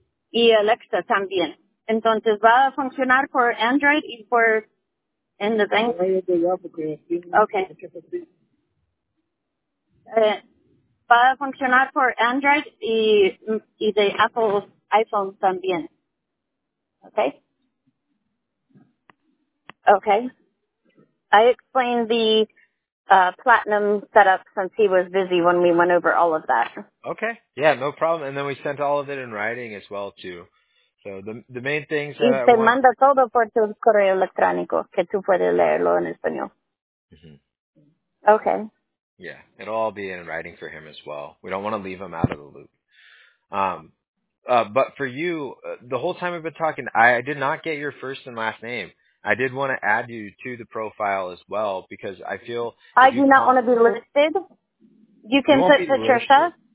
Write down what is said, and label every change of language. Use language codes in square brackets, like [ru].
[es] Y Alexa también. Entonces, ¿va a funcionar por Android y por en [en] the bank? Okay. [es] ¿Va a funcionar por Android y de Apple iPhone también? Okay. Okay. [en] I explained the Platinum setup since he was busy when we went over all of that. Okay. Yeah, no problem. And then we sent all of it in writing as well, too. So the main things that [es] y te manda todo por tu correo electrónico, que tú puedes leerlo en español. Mm-hmm. Okay. [en] Yeah, it'll all be in writing for him as well. We don't want to leave him out of the loop. But for you, the whole time we've been talking, I did not get your first and last name. I did want to add you to the profile as well because I feel... I do not want to be listed. You can put Patricia.